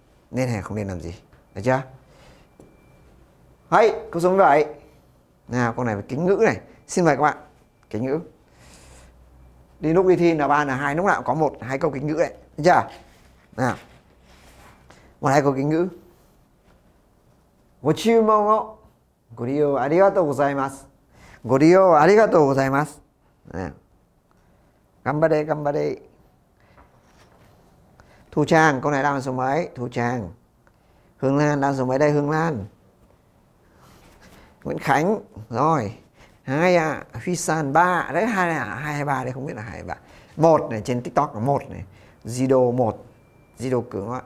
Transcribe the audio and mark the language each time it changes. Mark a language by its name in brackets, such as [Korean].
[Vietnamese] Nên hay là không nên làm gì, được chưa? Hay câu số 7 nào, câu này là kính ngữ này, xin mời các bạn. Kính ngữ đi lúc đi thi là ba là hai, lúc nào cũng có một hai câu kính ngữ đấy, được chưa? Nào, một hai câu kính ngữ. [Japanese] ご注文をご利用ありがとうございます。ご利用ありがとうございます。ね、頑張れ頑張れ。 [Vietnamese] Thu Trang, câu này đang số mấy? Thu Trang. Hương Lan đang số mấy đây Hương Lan? Nguyễn Khánh, rồi. Hai à, Huy San ba, đấy hai này, hai hay ba đây không biết là hai hay ba. Một này trên TikTok là một này. Zido một, Zido cứng ạ.